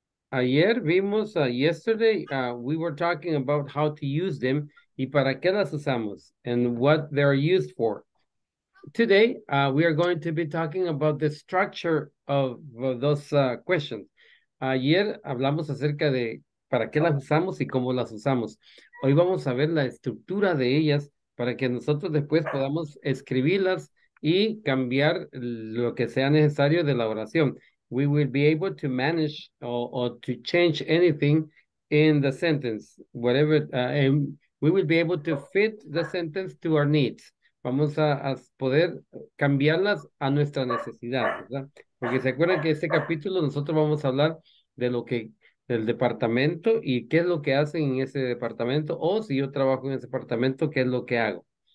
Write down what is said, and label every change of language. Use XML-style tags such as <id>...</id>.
<es>Ayer vimos,</es> <en>yesterday, we were talking about how to use them</en> <es>y para qué las usamos</es> <en>and what they are used for. Today, we are going to be talking about the structure of those questions.</en> <es>Ayer hablamos acerca de para qué las usamos y cómo las usamos. Hoy vamos a ver la estructura de ellas para que nosotros después podamos escribirlas y cambiar lo que sea necesario de la oración.</es> <en>We will be able to manage or to change anything in the sentence, whatever, and we will be able to fit the sentence to our needs.</en> <es>Vamos a poder cambiarlas a nuestra necesidad, ¿verdad? Porque se acuerdan que este capítulo nosotros vamos a hablar de lo que del departamento y qué es lo que hacen en ese departamento, o si yo trabajo en ese departamento, qué es lo que hago.</es>